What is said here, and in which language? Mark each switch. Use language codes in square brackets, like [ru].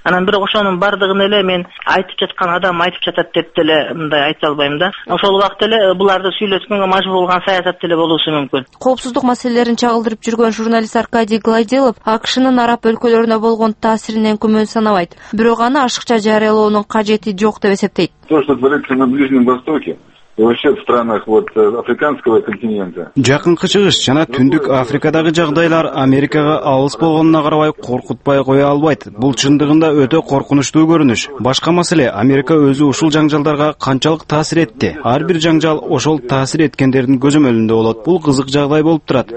[ky] Анан бирок ошонун бардыгын эле мен айтып жаткан адам айтып жатат деп деле мындай айта албайм да. Ошол убакта эле буларды сүйлөткөнгө мажбур болган саясат деле болушу мүмкүн. Коопсуздук маселелерин чагылдырып жүргөн журналист Аркадий Гладилов АКШнын араб өлкөлөрүнө болгон таасиринен күмөн санабайт, бирок аны ашыкча жарыялоонун кажети жок деп эсептейт. [ru] То, что творится на Ближнем Востоке и вообще в странах вот африканского континента. [ky] Жакынкы чыгыш жана түндүк Африкадагы жагдайлар Америкага алыс болгонуна карабай коркутпай кое албайт. Бул чындыгында өтө коркунучтуу көрүнүш. Башка маселе, Америка өзү ушул жаңжалдарга канчалык таасир этти? Ар бир жаңжал ошол таасир эткендердин көзөмөлүндө болот. Бул кызык жагдай болуп турат.